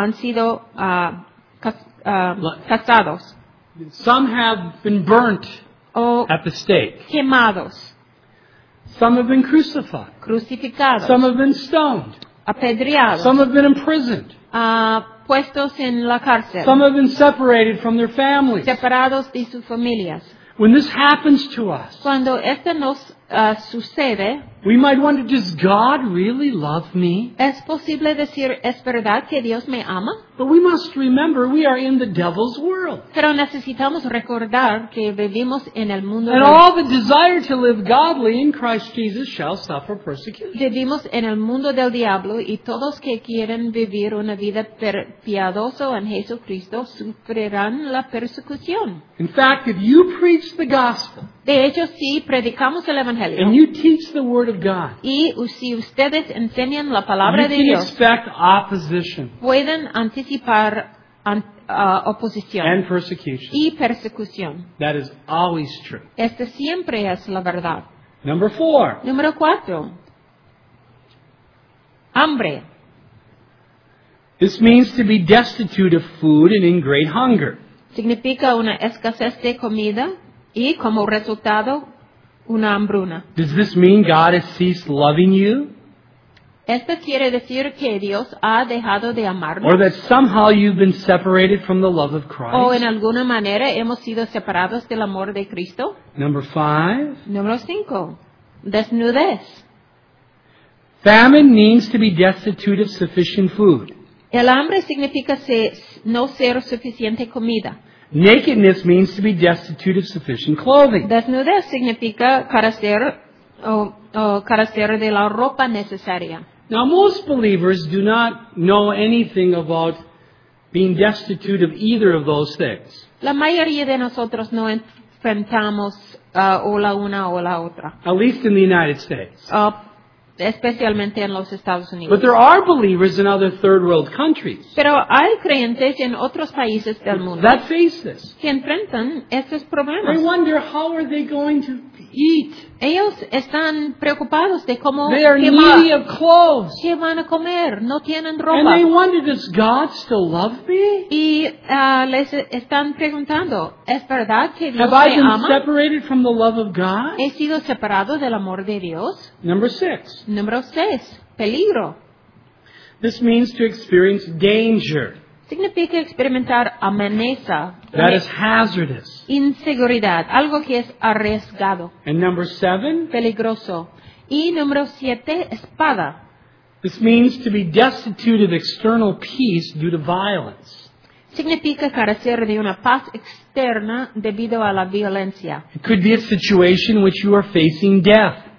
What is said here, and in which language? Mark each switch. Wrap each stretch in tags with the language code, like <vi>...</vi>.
<es>Inclusive han sido cazados.</es> <en>Some have been burnt at the stake.</en> <es>Quemados.</es> <en>Some have been crucified.</en> <es>Crucificados.</es> <en>Some have been stoned.</en> <es>Apedreados.</es> <en>Some have been imprisoned.</en> <es>Puestos en la cárcel.</es> <en>Some have been separated from their families.</en> <es>Separados de sus familias.</es> <en>When this happens to us,</en> <es>cuando esto nos sucede,</es> <en>we might wonder, does God really love me?</en> <es>¿Es posible decir, ¿es verdad que Dios me ama?</es> <en>But we must remember, we are in the devil's world.</en> <es>Pero necesitamos recordar que vivimos en el mundo.</es> <en>And all that desire to live godly in Christ Jesus shall suffer persecution.</en> <es>Vivimos en el mundo del diablo y todos que quieren vivir una vida piadosa en Jesucristo sufrirán la persecución.</es> <en>In fact, if you preach the gospel,</en> <es>de hecho, si predicamos el evangelio, evangelio.</es> <en>And you teach the word of God.</en> <es>Y si ustedes enseñan la palabra</es> <en>you</en> <es>de Dios.</es> <en>You can expect opposition.</en> <es>Pueden anticipar oposición.</es> <en>And persecution.</en> <es>Y persecución.</es> <en>That is always true.</en> <es>Este siempre es la verdad.</es> <en>Number four.</en> <es>Número cuatro. Hambre.</es> <en>This means to be destitute of food and in great hunger.</en> <es>Significa una escasez de comida y como resultado una hambruna.</es> <en>Does this mean God has ceased loving you?</en> <es>¿Esto quiere decir que Dios ha dejado de amarnos?</es> <en>Or that somehow you've been separated from the love of Christ?</en> <es>¿O en alguna manera hemos sido separados del amor de Cristo?</es> <en>Number five.</en> <es>Número cinco. Desnudez.</es> <en>Famine means to be destitute of sufficient food.</en> <es>El hambre significa no ser suficiente comida.</es> <en>Nakedness means to be destitute of sufficient clothing.</en> <es>Desnudez significa carecer o carecer de la ropa necesaria.</es> <en>Now most believers do not know anything about being destitute of either of those things.</en> <es>La mayoría de nosotros no enfrentamos o la una o la otra.</es> <en>At least in the United States.</en> <es>Especialmente en los Estados Unidos.</es> <en>But there are believers in other third world countries.</en> <es>Pero hay creyentes en otros países del mundo.</es> <en>That face this.</en> <es>Que enfrentan estos problemas.</es> <en>They wonder how are they going to eat.</en> <es>Ellos están preocupados de cómo qué van a comer. No tienen ropa.</es> <en>And they wonder, does God still love me?</en> <es>Y les están preguntando, ¿es verdad que Dios me ama?</es> <en>Have I been separated from the love of God?</en> <es>¿He sido separado del amor de Dios?</es> <en>Number six.</en> <es>Número seis. Peligro.</es> <en>This means to experience danger.</en> <es>Significa experimentar amenaza.</es> <en>That is hazardous.</en> <es>Inseguridad, algo que es arriesgado.</es> <en>And number seven.</en> <es>Peligroso. Y número siete, espada.</es> <en>This means to be destitute of external peace due to violence.</en> <es>Significa carecer de una paz externa debido a la violencia.</es> <en>It could be a situation in which you are facing death.</en>